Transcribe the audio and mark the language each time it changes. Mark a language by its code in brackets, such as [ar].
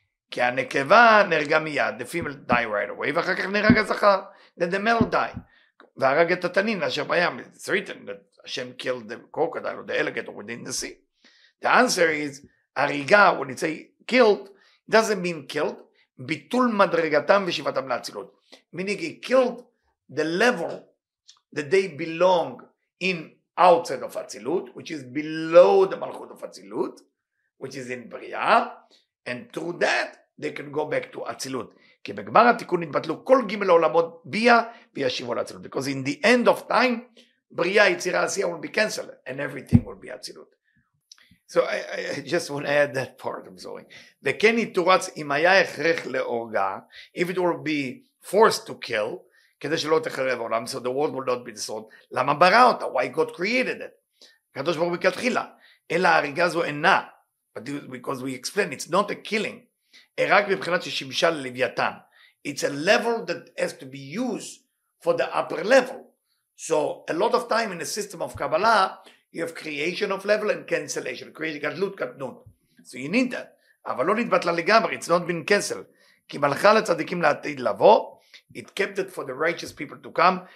[he] כי הנקבה נרגה מיד, [en] the female die right away, [he] ואחר כך נרגה זכר, [en] then the male die. [he] והרג את התנין, אשר בים, [en] it's written that Hashem killed the crocodile or the alligator within the sea. The answer is, הריגה, when you say killed, doesn't mean killed, [he] ביטול מדרגתם ושיבתם להצילות. [en] Meaning he killed the level that they belong in, outside of Atzilut, which is below the Malchut of Atzilut, which is in Bria, and through that, they can go back to Atzilut. Because in the end of time, Bria, Yitzira, Asiya will be canceled, and everything will be Atzilut. So I just want to add that part, I'm sorry. [he] וכן יתורץ אם היה הכרח להורגה, [en] if it will be forced to kill, [he] כדי שלא תחרב העולם, [en] so the world will not be destroyed. [he] למה ברא אותה? [en] Why God created it? [he] קדוש ברוך הוא מכתחילה. אלא ההריגה זו אינה. [en] Because we explain, it's not a killing. [he] רק מבחינת ששימשה ללוויתן. [en] It's a level that has to be used for the upper level. So a lot of time in the system of Kabbalah, you have creation of level and cancellation. Creation, גדלות, קטנות. So you need that. [he] אבל לא נתבטלה לגמרי, [en] it's not been canceled. [he] כי מלכה לצדיקים לעתיד לבוא, [en] it kept it for the righteous people to come.